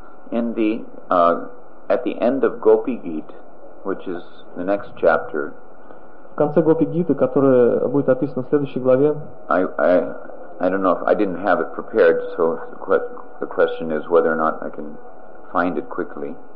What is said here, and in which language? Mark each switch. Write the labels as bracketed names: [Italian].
[English] In the at the end of Gopi Gita, which is the next chapter. [Russian] В конце Гопи Гиты, которая будет описана в следующей главе. [English] I don't know if I didn't have it prepared, so the question is whether or not I can find it quickly.